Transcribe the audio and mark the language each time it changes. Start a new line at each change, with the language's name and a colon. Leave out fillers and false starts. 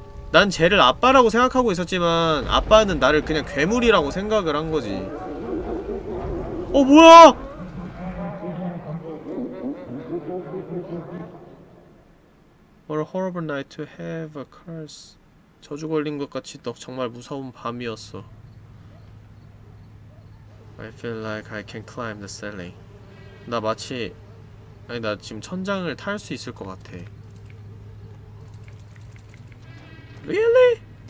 Korean: 난 쟤를 아빠라고 생각하고 있었지만, 아빠는 나를 그냥 괴물이라고 생각을 한 거지. 뭐야! 뭘
English: horrible night to have a curse.
Korean: 저주 걸린 것 같이 너 정말 무서운 밤이었어.
English: I feel like I can climb the ceiling.
Korean: 나 마치 아니 나 지금 천장을 탈수 있을 것 같아.
English: Really?